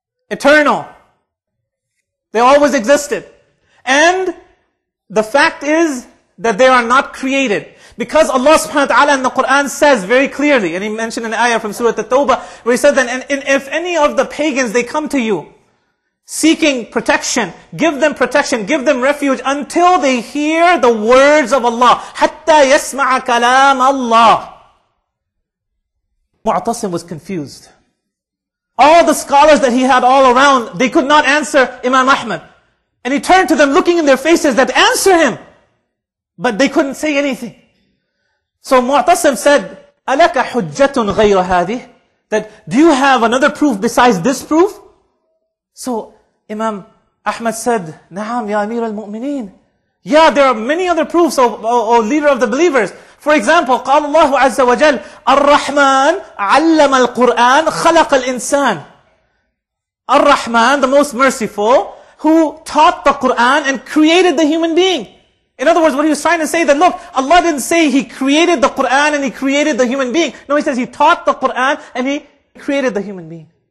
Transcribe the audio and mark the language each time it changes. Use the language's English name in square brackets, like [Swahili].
[English] Eternal. They always existed. And the fact is that they are not created. Because Allah subhanahu wa ta'ala in the Quran says very clearly, and He mentioned an ayah from Surah At-Tawbah, where He said that, and if any of the pagans, they come to you, seeking protection, give them refuge until they hear the words of Allah. [Arabic] حَتَّى يَسْمَعَ كَلَامَ اللَّهِ [English] Mu'tasim was confused. All the scholars that he had all around, they could not answer Imam Ahmad. And he turned to them looking in their faces that answer him. But they couldn't say anything. So Mu'tasim said, [Arabic] أَلَكَ حُجَّةٌ غَيْرَ هَذِهِ [English] That, do you have another proof besides this proof? So Imam Ahmad said, [Arabic] Naam ya Amir al-Mu'mineen. [English] Yeah, there are many other proofs, O leader of the believers. For example, [Arabic] قال الله عز وجل, الرحمن علم القرآن خلق الإنسان. [English] الرحمن, the most merciful, who taught the Quran and created the human being. In other words, what he was trying to say, that look, Allah didn't say He created the Quran and He created the human being. No, He says He taught the Quran and He created the human being.